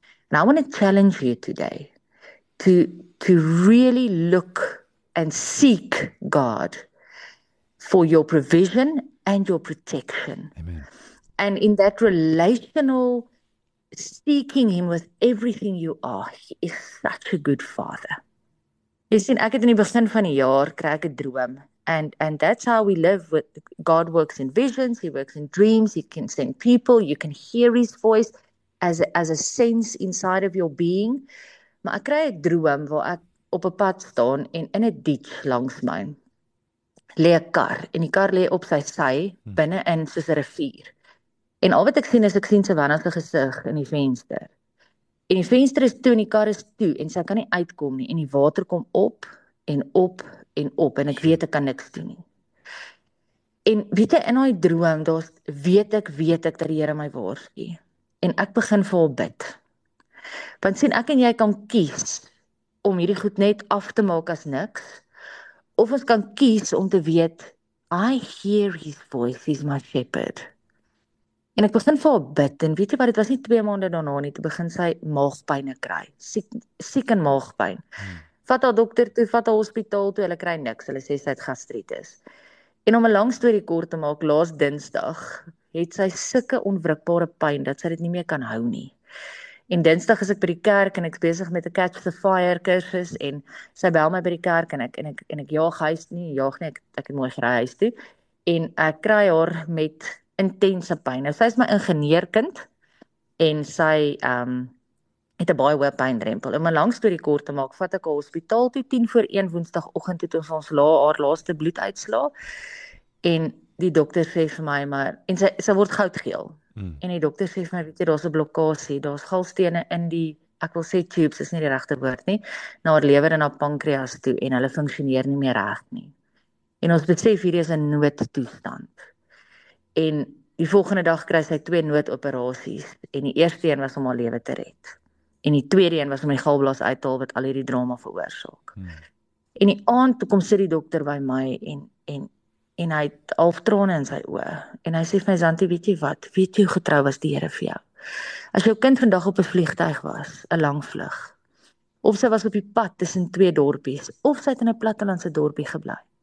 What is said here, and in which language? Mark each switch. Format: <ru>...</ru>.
<en>And I want to challenge you today to really look and seek God for your provision and your protection. Amen. And in that relational seeking him with everything you are, he is such a good father.</en> <af>Jy sien, ek het in die begin van die jaar kry ek 'n droom.</af> <en>And that's how we live. With God works in visions, he works in dreams, he can send people, you can hear his voice as a sense inside of your being.</en> <af>Maar ek kry 'n droom waar ek op 'n pad staan en in 'n ditch langs my lê 'n kar. En die kar lê op sy binne in soos 'n rivier. En al wat ek sien is ek sien Savannah se gesig in die venster. En die venster is toe en die kar is toe en sy kan nie uitkom nie en die water kom op en op en op en ek weet ek kan niks doen nie. En weet jy in daai droom daar's weet ek dat die Here my waarsku. En ek begin vir hom bid. Want sien ek en jy kan kies om hierdie goed net af te maak as niks of ons kan kies om te weet</af> <en>I hear his voice, he's my shepherd.</en> <af>En ek begin vir haar bid en weet jy wat, dit was nie 2 maande daarna nie, toe begin sy maagpyne kry. Siek en maagpyn. Vat haar dokter toe, vat haar hospitaal toe, hulle kry niks. Hulle sê sy het gastritis. En om 'n lang storie kort te maak, laas Dinsdag het sy sulke onwrikbare pyn dat sy dit nie meer kan hou nie. En Dinsdag is ek by die kerk en ek's besig met 'n Catch the Fire kursus en sy bel my by die kerk en ek jaag huis nie, jaag nie, ek het mooi gery huis toe. En ek kry haar met intense pyn. Nou, sy is my ingenieurkind en sy het 'n baie hoë pyndrempel. Om 'n lang storie kort te maak, vat ek haar hospitaal toe 10 voor 1 Woensdagoggend toe om ons haar laaste bloed uitslaa. En die dokter sê vir my maar en sy word goudgeel. En die dokter sê vir my, weet jy, daar's 'n blokkade, daar's galstene in die, ek wil sê tubes, is nie die regte woord nie, na haar lewer en haar pankreas toe en hulle funksioneer nie meer reg nie. En ons besef hierdie is 'n noodtoestand. En die volgende dag kry sy 2 noodoperasies en die eerste een was om haar lewe te red. En die tweede een was om die galblaas uit te haal wat al hierdie drama veroorsaak. En die aand toe kom sit die dokter by my en hy het half trane in sy oë en hy sê vir my, Zanti, weet jy wat? Weet jy hoe getrou was die Here vir jou? As jou kind vandag op 'n vliegtuig was, 'n lang vlug. Of sy was op die pad tussen 2 dorpies of sy het in 'n plattelandse dorpie gebly.</af>